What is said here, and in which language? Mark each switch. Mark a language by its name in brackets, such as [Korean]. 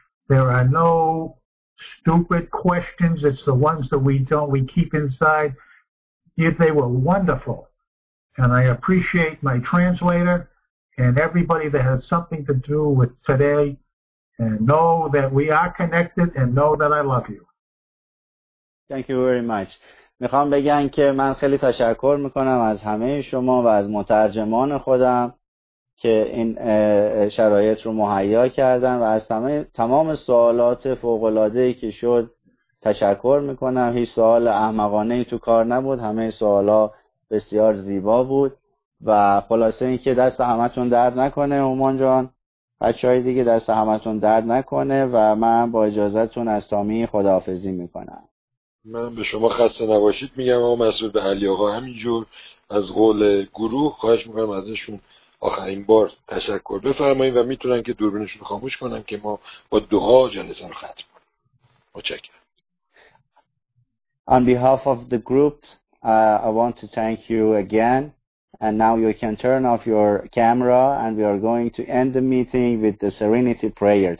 [English] There are no stupid questions. It's the ones that we keep inside. Yet they were wonderful. And I appreciate my translator and everybody that has something to do with today. And know that we are connected and know that I love you. Thank you very much. [Persian] میخوام بگم که من خیلی تشکر میکنم از همه شما و از مترجمان خودم که این شرایط رو مهیا کردن و از تمام سوالات فوق‌العاده‌ای که شد تشکر میکنم. هیچ سوال احمقانه‌ای تو کار نبود. همه سوالا بسیار زیبا بود و خلاصه این که دست همتون درد نکنه عمان جان، بچه های دیگه دست همتون درد نکنه و من با اجازتون از تامی خداحافظی میکنم. من به شما خسته نباشید میگم و مسئول به علی آقا همینجور از قول گروه خواهش میکنم ازشون آخرین بار تشکر بفرمایید و میتونن که دوربینشون خاموش کنن که ما با دعا جلسه رو ختم کنیم. متشکرم. [English] On behalf of the group, I want to thank you again, and now you can turn off your camera, and we are going to end the meeting with the Serenity Prayer.